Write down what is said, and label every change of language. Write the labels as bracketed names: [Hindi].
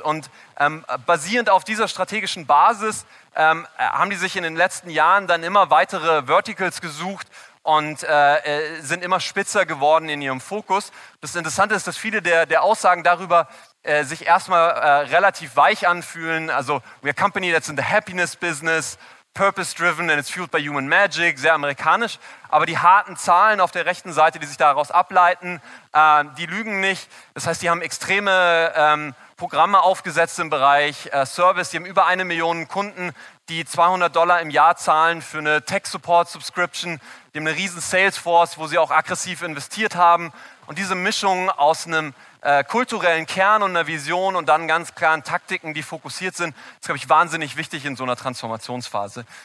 [German] Und basierend auf dieser strategischen Basis haben die sich in den letzten Jahren dann immer weitere Verticals gesucht und sind immer spitzer geworden in ihrem Fokus. Das Interessante ist, dass viele der Aussagen darüber sich erstmal relativ weich anfühlen. [English] Also, we're a company that's in the happiness business, purpose-driven and it's fueled by human magic, [German] sehr amerikanisch. Aber die harten Zahlen auf der rechten Seite, die sich daraus ableiten, die lügen nicht. Das heißt, die haben extreme Programme aufgesetzt im Bereich Service. Die haben über 1 Million Kunden, die $200 im Jahr zahlen für eine Tech-Support-Subscription. Die haben eine riesen Salesforce, wo sie auch aggressiv investiert haben. Und diese Mischung aus einem kulturellen Kern und einer Vision und dann ganz klaren Taktiken, die fokussiert sind, ist, glaube ich, wahnsinnig wichtig in so einer Transformationsphase.